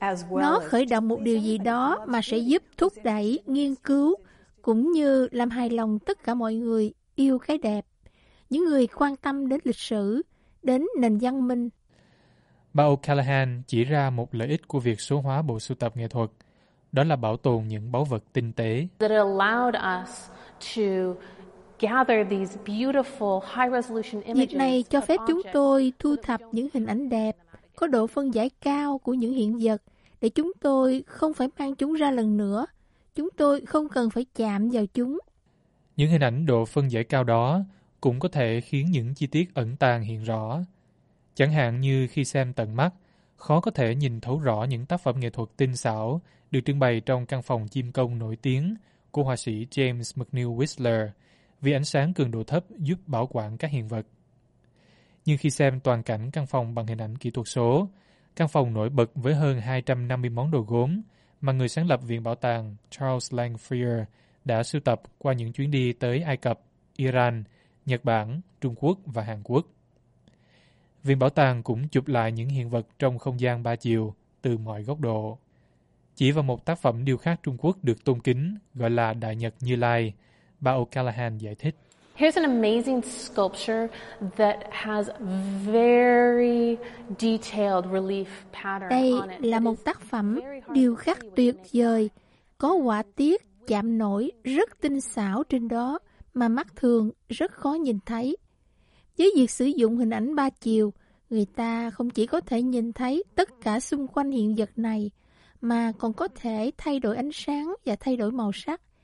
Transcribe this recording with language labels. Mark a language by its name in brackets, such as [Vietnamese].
[Vietnamese] Nó khởi động một điều gì đó mà sẽ giúp thúc đẩy nghiên cứu cũng như làm hài lòng tất cả mọi người yêu cái đẹp, những người quan tâm đến lịch sử, đến nền văn minh. Bà O'Callaghan chỉ ra một lợi ích của việc số hóa bộ sưu tập nghệ thuật, đó là bảo tồn những báu vật tinh tế. [English] That allowed us to gather these beautiful high-resolution images. [Vietnamese] Việc này cho phép chúng tôi thu thập những hình ảnh đẹp có độ phân giải cao của những hiện vật để chúng tôi không phải mang chúng ra lần nữa. Chúng tôi không cần phải chạm vào chúng. Những hình ảnh độ phân giải cao đó cũng có thể khiến những chi tiết ẩn tàng hiện rõ. Chẳng hạn như khi xem tận mắt, khó có thể nhìn thấu rõ những tác phẩm nghệ thuật tinh xảo được trưng bày trong căn phòng chim công nổi tiếng của họa sĩ James McNeill Whistler vì ánh sáng cường độ thấp giúp bảo quản các hiện vật. Nhưng khi xem toàn cảnh căn phòng bằng hình ảnh kỹ thuật số, căn phòng nổi bật với hơn 250 món đồ gốm mà người sáng lập Viện Bảo tàng Charles Lang Freer đã sưu tập qua những chuyến đi tới Ai Cập, Iran, Nhật Bản, Trung Quốc và Hàn Quốc. Viện Bảo tàng cũng chụp lại những hiện vật trong không gian ba chiều từ mọi góc độ. Chỉ vào một tác phẩm điêu khắc Trung Quốc được tôn kính gọi là Đại Nhật Như Lai, bà O'Callaghan giải thích. [English] Here's an amazing sculpture that has very detailed relief pattern on it. [Vietnamese] Đây là một tác phẩm điêu khắc tuyệt vời, có họa tiết chạm nổi rất tinh xảo trên đó mà mắt thường rất khó nhìn thấy. Với việc sử dụng hình ảnh ba chiều, người ta không chỉ có thể nhìn thấy tất cả xung quanh hiện vật này, mà còn có thể thay đổi ánh sáng và thay đổi màu sắc.